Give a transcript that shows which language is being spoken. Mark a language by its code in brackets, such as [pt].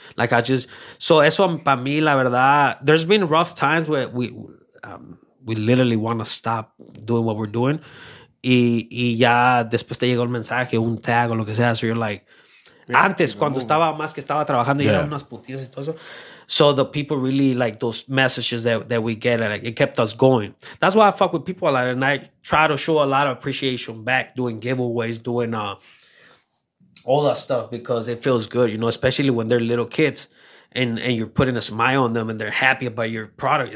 [en] Like, I just, so [es] eso para mí, la verdad, [en] there's been rough times where we literally want to stop doing what we're doing. [es] Y ya después te llegó el mensaje, un tag o lo que sea. [en] So you're like, yeah, [es] antes, cuando estaba más que estaba trabajando, yeah, y eran unas putillas y todo eso. [en] So the people really like those messages that we get. And like, it kept us going. That's why I fuck with people a lot. And I try to show a lot of appreciation back, doing giveaways, doing all that stuff, because it feels good, you know, especially when they're little kids. And you're putting a smile on them and they're happy about your product.